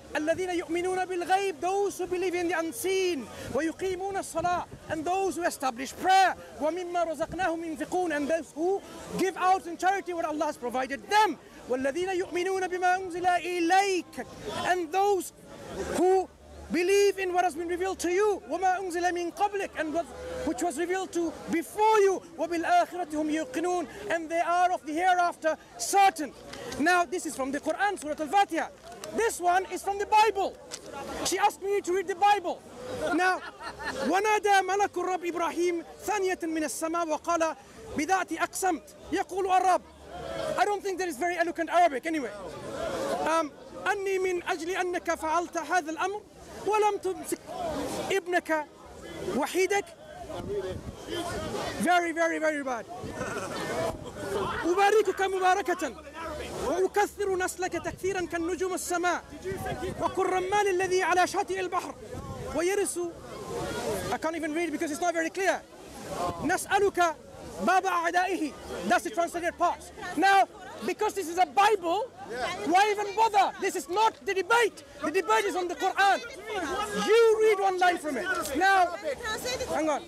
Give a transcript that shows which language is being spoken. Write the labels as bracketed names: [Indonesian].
[Arabic] الذين يؤمنون بالغيب, [English] those who believe in the unseen, [Arabic] ويقيمون الصلاة, [English] and those who establish prayer, [Arabic] ومما رزقناهم ينفقون, [English] and those who give out in charity what Allah has provided them, [Arabic] والذين يؤمنون بما أنزل إليك, [English] and those who believe in what has been revealed to you, [Arabic] وما أنزل من قبلك, [English] and which was revealed to before you, [Arabic] وبالآخرة هم يوقنون, [English] and they are of the hereafter certain. Now this is from the Quran, Surah Al-Fatiha. This one is from the Bible. She asked me to read the Bible. [Arabic] Now, ونادى ملك الرب إبراهيم ثانية من السماء وقال بذاتي أقسمت يقول الرب. [English] I don't think that is very eloquent Arabic anyway. [Arabic] أني من أجل أنك فعلت هذا الأمر ولم تمسك ابنك وحيدك. [English] Very, very, very bad. [Arabic] أباركك مباركة وأكثر نسلك تكثيرا كالنجوم السماء وكل رمال الذي على شاطئ البحر ويرسو. [English] I can't even read because it's not very clear. [Arabic] نسألك باب أعدائه. [English] That's the translated part. Now, because this is a Bible, why even bother? This is not the debate. The debate is on the Quran. You read one line from it. Now, hang on.